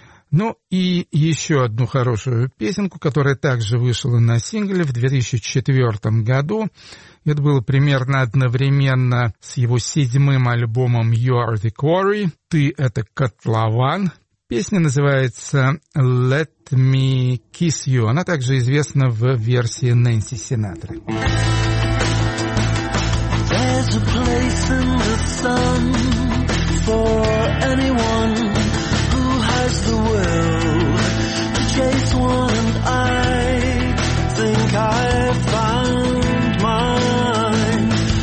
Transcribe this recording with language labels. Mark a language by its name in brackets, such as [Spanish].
[Russian] Ну и еще одну хорошую песенку, которая также вышла на сингле в 2004 году. Это было примерно одновременно с его седьмым альбомом «You are the quarry». «Ты — это котлован». Песня называется «Let me kiss you». Она также известна в версии Нэнси Синатры. [English] There's a place in the sun for anyone who has the will to chase one, and I think I've found mine.